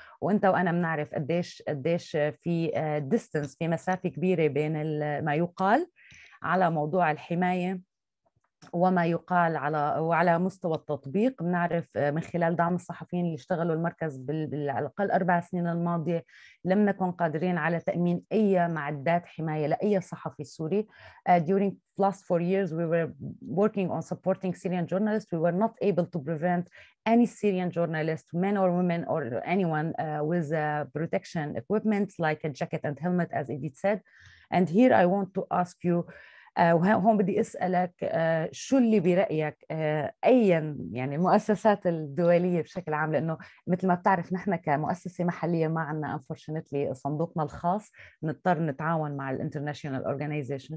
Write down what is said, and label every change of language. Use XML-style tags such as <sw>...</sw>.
<ar>وانت وانا بنعرف قديش في distance, في مسافة كبيرة بين ما يقال على موضوع الحماية وما يقال على وعلى مستوى التطبيق. بنعرف من خلال دعم الصحفيين اللي اشتغلوا المركز على الأقل 4 سنين الماضية لم نكن قادرين على تأمين أي معدات حماية لأي صحفي سوري.</ar> <en>During the last 4 years we were working on supporting Syrian journalists. We were not able to prevent any Syrian journalist, men or women or anyone with protection equipment like a jacket and helmet as Edith said. And here I want to ask you,</en> <ar>هون بدي أسألك شو اللي برأيك أياً يعني المؤسسات الدولية بشكل عام، لأنه مثل ما بتعرف نحن كمؤسسة محلية ما عنا unfortunately صندوقنا الخاص، نضطر نتعاون مع</ar> <en>الانترناشنال أورجانيزيشن.</en>